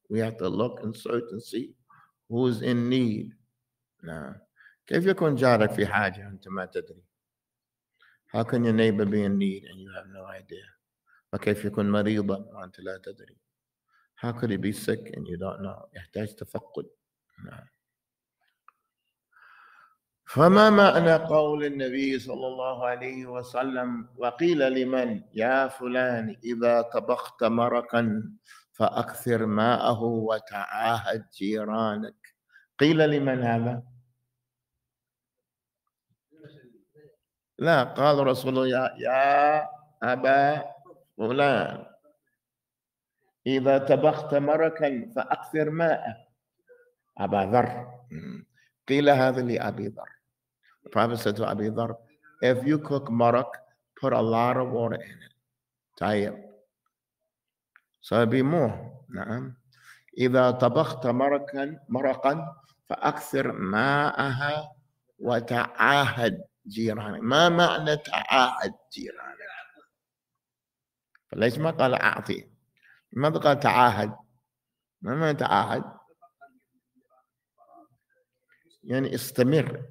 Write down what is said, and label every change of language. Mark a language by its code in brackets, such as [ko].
[en] We have to look and search and see who's in need. [ar] كيف يكون جارك في حاجة أنت ما تدري؟ [en] How can your neighbor be in need and you have no idea? [ar] وكيف يكون مريضا وأنت لا تدري؟ [en] How could he be sick and you don't know? [ar] يحتاج تفقد. فما معنى قول النبي صلى الله عليه وسلم وقيل لمن يا فلان إذا طبخت مرقا فأكثر ماءه وتعاهد جيرانك؟ قيل لمن هذا؟ لا قال رسول الله يا أبا فلان إذا طبخت مرقا فأكثر ماء أبا ذر. قيل هذا لأبي ذر. [en] The Prophet said to Abi Dhar, if you cook marak, put a lot of water in it. [ar] طيب. [en] So it'd be more. [ar] نعم. إذا طبخت مرقا مرقا فأكثر ماءها وتعاهد جيرانك. ما معنى تعاهد جيرانك؟ فليش ما قال أعطي؟ ماذا قال تعاهد؟ ما معنى تعاهد؟ يعني استمر.